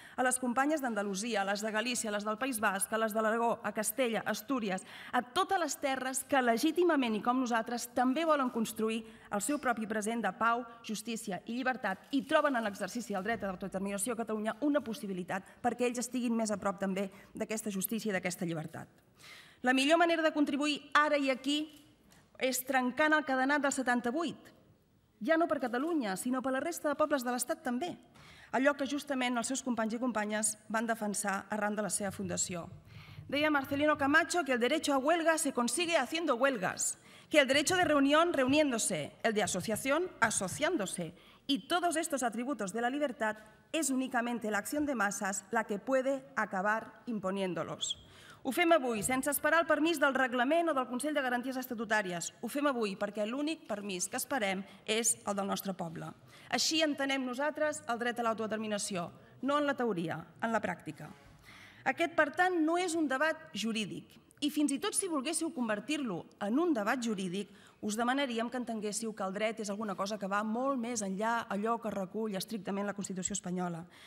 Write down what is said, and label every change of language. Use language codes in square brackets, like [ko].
[ca] A les companyes d'Andalusia, a les de Galícia, a les del País Basc, a les de l'Aragó, a Castella, a Astúries, a totes les terres que legítimament i com nosaltres també volen construir el seu propi present de pau, justícia i llibertat i troben en l'exercici del dret a l'autodeterminació de Catalunya una possibilitat perquè ells estiguin més a prop també d'aquesta justícia i d'aquesta llibertat. La millor manera de contribuir ara i aquí és trencant el cadenat del 78, ja no per Catalunya, sinó per la resta de pobles de l'Estat també, allò que justament els seus companys i companyes van defensar arran de la seva fundació. [es] Deia Marcelino Camacho que el derecho a huelga se consigue haciendo huelgas, que el derecho de reunión reuniéndose, el de asociación asociándose, y todos estos atributos de la libertad es únicamente la acción de masas la que puede acabar imponiéndolos. [ca] Ho fem avui, sense esperar el permís del Reglament o del Consell de Garanties Estatutàries. Ho fem avui perquè l'únic permís que esperem és el del nostre poble. Així entenem nosaltres el dret a l'autodeterminació, no en la teoria, en la pràctica. Aquest, per tant, no és un debat jurídic. I fins i tot si volguéssiu convertir-lo en un debat jurídic, us demanaríem que entenguéssiu que el dret és alguna cosa que va molt més enllà allò que recull estrictament la Constitució espanyola.